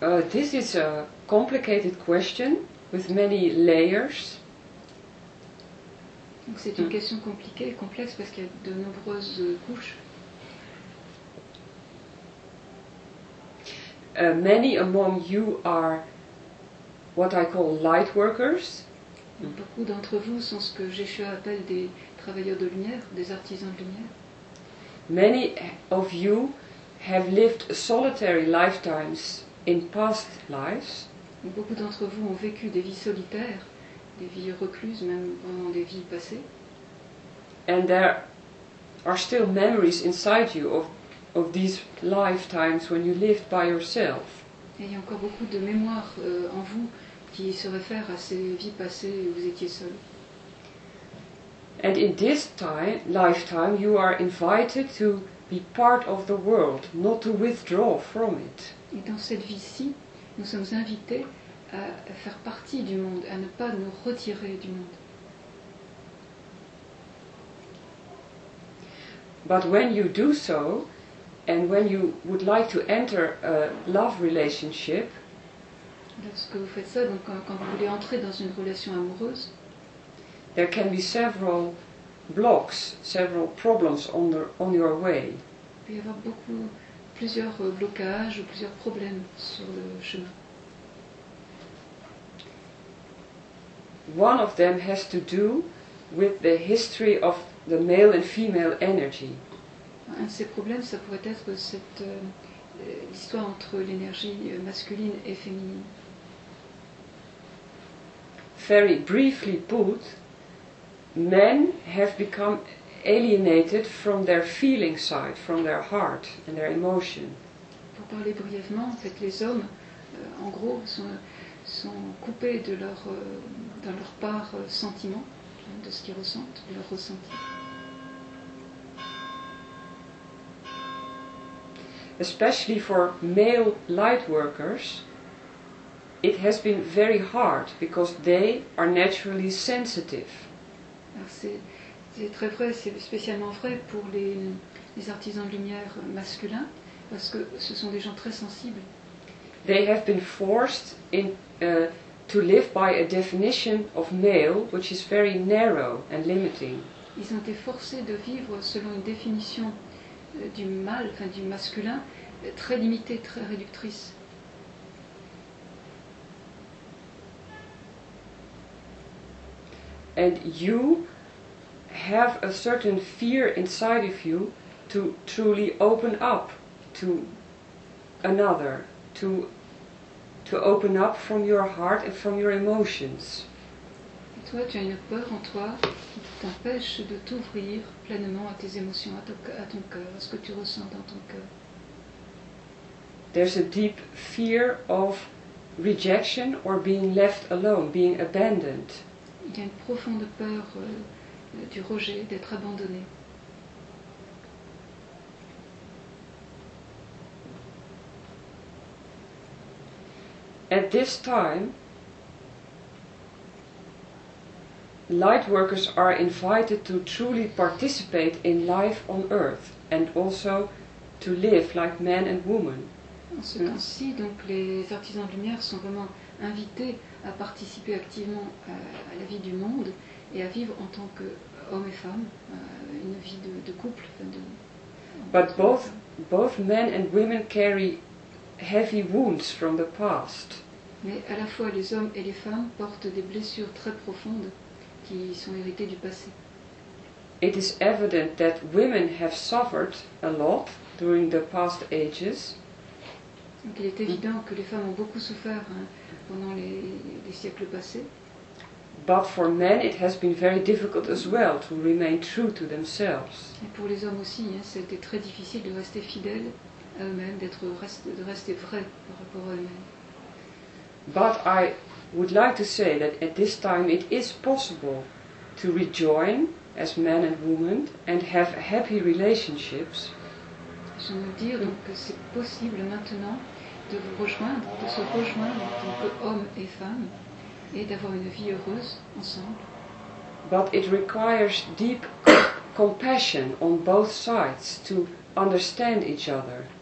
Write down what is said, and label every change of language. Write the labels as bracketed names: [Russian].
[English] This is a complicated question with many layers. [French] Donc c'est une question compliquée et complexe parce qu'il y a de nombreuses couches. [English] Many among you are what I call light workers. [French] Beaucoup d'entre vous sont ce que Yeshua appelle des travailleurs de lumière, des artisans de lumière. [English] Many of you have lived solitary lifetimes in past lives. [French] Beaucoup d'entre vous ont vécu des vies solitaires, des vies recluses, même pendant des vies passées. [English] And there are still memories inside you of these lifetimes when you lived by yourself. [French] Et il y a encore beaucoup de mémoires en vous qui se réfère à ces vies passées où vous étiez seul. [English] And in this time, lifetime, you are invited to be part of the world, not to withdraw from it. [French] Et dans cette vie-ci, nous sommes invités à faire partie du monde, à ne pas nous retirer du monde. [English] But when you do so, and when you would like to enter a love relationship, [French] lorsque vous faites ça, donc quand vous voulez entrer dans une relation amoureuse, [English] there can be several blocks, several problems on your way. [French] Il peut y avoir beaucoup, plusieurs blocages ou plusieurs problèmes sur le chemin. [English] One of them has to do with the history of the male and female energy. [French] Un de ces problèmes, ça pourrait être cette l'histoire entre l'énergie masculine et féminine. [English] Very briefly put, men have become alienated from their feeling side, from their heart and their emotion. [French] Pour parler brièvement, en fait, les hommes, en gros, sont coupés de leur dans leur part sentiment, de ce qu'ils ressentent, de leur ressenti. [English] Especially for male light workers, it has been very hard because they are naturally sensitive. [French] Alors c'est très vrai, c'est spécialement vrai pour les artisans de lumière masculins parce que ce sont des gens très sensibles. [English] They have been forced in to live by a definition of male which is very narrow and limiting. [French] Ils ont été forcés de vivre selon une définition du mâle, enfin du masculin, très limitée, très réductrice. [English] And you have a certain fear inside of you to truly open up to another, to open up from your heart and from your emotions. [French] Et toi, tu as une peur en toi qui t'empêche de t'ouvrir pleinement à tes émotions, à ton cœur, à ce que tu ressens dans ton cœur. [English] There's a deep fear of rejection or being left alone, being abandoned. [French] Il y a une profonde peur du rejet, d'être abandonné. [English] At this time, light workers are invited to truly participate in life on earth and also to live like men and women. [French] En ce temps-ci, donc, les artisans de lumière sont vraiment invités à participer activement à la vie du monde et à vivre en tant qu'homme et femme, une vie de couple. [English] But both men and women carry heavy wounds from the past. [French] Mais à la fois les hommes et les femmes portent des blessures très profondes qui sont héritées du passé. [English] it is evident that women have suffered a lot during the past ages. [French] Donc il est évident que les femmes ont beaucoup souffert hein, pendant les siècles passés. [English] But for men it has been very difficult as well to remain true to themselves. [French] Et pour les hommes aussi, hein, c'était très difficile de rester fidèle à eux-mêmes, de rester vrai par rapport à eux-mêmes. [English] But I would like to say that at this time it is possible to rejoin as men and women and have happy relationships. [French] Je veux dire donc que c'est possible maintenant de vous rejoindre, de se rejoindre en tant qu'hommes et femmes et d'avoir une vie heureuse ensemble. [English] But it requires deep compassion on both sides to understand each other.